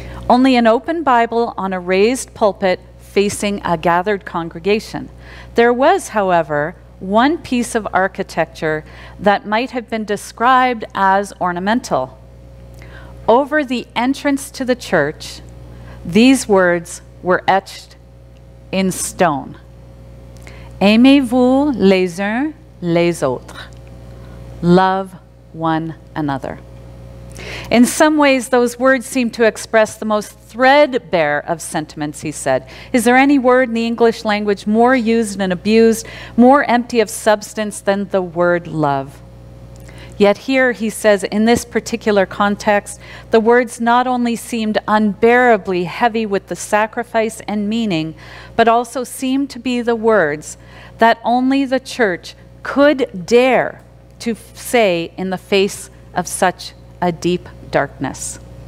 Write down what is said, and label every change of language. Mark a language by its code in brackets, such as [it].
[en] only an open Bible on a raised pulpit facing a gathered congregation. There was, however, one piece of architecture that might have been described as ornamental. Over the entrance to the church, these words were etched in stone. [fr] Aimez-vous les uns les autres. [en] Love one another. In some ways, those words seem to express the most threadbare of sentiments, he said. Is there any word in the English language more used and abused, more empty of substance than the word love? Yet here, he says, in this particular context, the words not only seemed unbearably heavy with the sacrifice and meaning, but also seemed to be the words that only the church could dare to say in the face of such a deep darkness.